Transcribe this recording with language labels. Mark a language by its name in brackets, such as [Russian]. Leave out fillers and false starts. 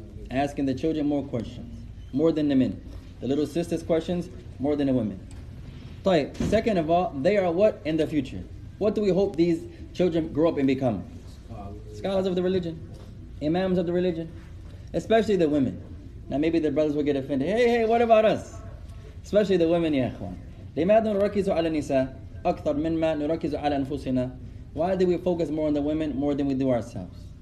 [English] Asking the children more questions. More than the men. The little sisters' questions, more than the women. طيب, second of all, they are what in the future? What do we hope these children grow up and become? Scholars of the religion. Imams of the religion. Especially the women. Now maybe the brothers will get offended. Hey, what about us? Especially the women, ya ikhwan. [Arabic] لماذا نركز على النساء أكثر مما نركز على أنفسنا. [English] Why do we focus more on the women more than we do ourselves?